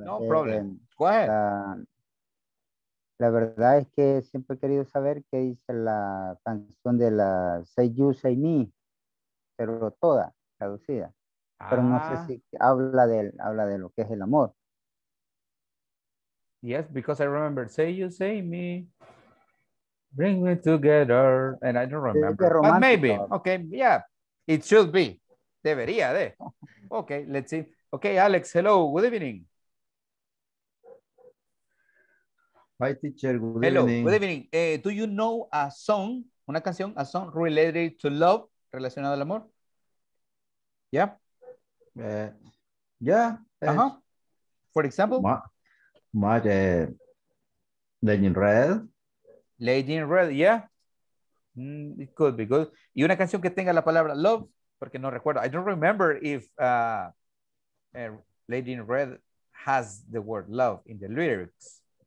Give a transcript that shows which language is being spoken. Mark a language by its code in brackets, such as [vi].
[en] No problem. Go ahead. [es] La verdad es que siempre he querido saber qué dice la canción de la Say You, Say Me, pero toda traducida. Ah. Pero no sé si habla de lo que es el amor. [en] Yes, because I remember Say You, Say Me, Bring Me Together, and I don't remember. But maybe. Okay, yeah. It should be. [es] Debería de. [en] Okay, let's see. Okay, Alex, hello, good evening. Hi, teacher, good evening. Hello, good evening. Do you know a song, [es] una canción, [en] a song related to love, [es] relacionado al amor? [en] Yeah? Yeah. For example? My Lady in Red. Lady in Red, yeah. It could be good. [es] Y una canción que tenga la palabra love, porque no recuerdo. [en] I don't remember if Lady in Red has the word love in the lyrics.